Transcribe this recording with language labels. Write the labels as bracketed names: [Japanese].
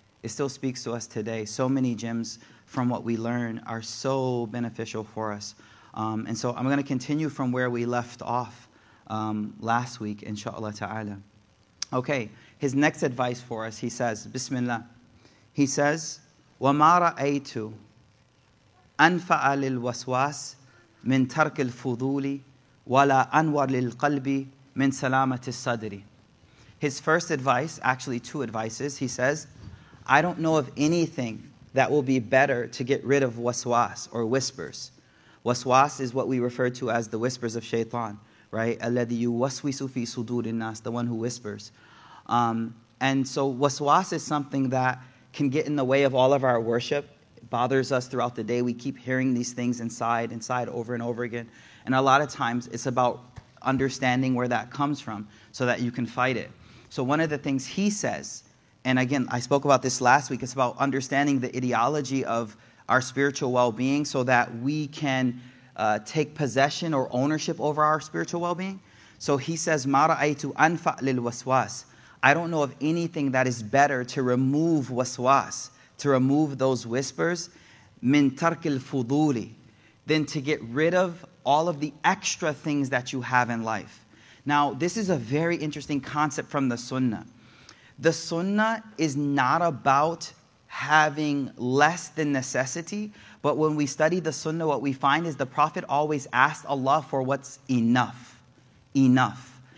[English] It still speaks to us today. So many gems from what we learn are so beneficial for us. And so I'm going to continue from where we left off last week, inshallah ta'ala. Okay, his next advice for us, he says, Bismillah. He says, [Arabic] وَمَا رَأَيْتُ أَنْفَعَ لِلْوَسْوَاسِ مِنْ تَرْكِ الْفُضُولِ وَلَا أَنْوَرْ لِلْقَلْبِ مِنْ سَلَامَةِ الصَّدْرِ. [English] His first advice, actually two advices, he says, I don't know of anything that will be better to get rid of waswas or whispers. Waswas is what we refer to as the whispers of shaitan, right? [Arabic] Alladhi yuwaswisu fi sudurin nas, [English] the one who whispers. And so waswas is something that can get in the way of all of our worship. It bothers us throughout the day. We keep hearing these things inside over and over again. And a lot of times it's about understanding where that comes from so that you can fight it. So one of the things he says, and again, I spoke about this last week, it's about understanding the ideology of our spiritual well-being so that we can take possession or ownership over our spiritual well-being. So he says, [Arabic] مَا رَأَيْتُ أَنْفَعْ لِلْوَسْوَاسِ. [English] I don't know of anything that is better to remove waswas, to remove those whispers, [Arabic] مِنْ تَرْكِ الْفُضُولِ, [English] than to get rid of all of the extra things that you have in life. Now, this is a very interesting concept from the sunnah. The sunnah is not about having less than necessity, but when we study the sunnah, what we find is the Prophet always asked Allah for what's enough. Enough.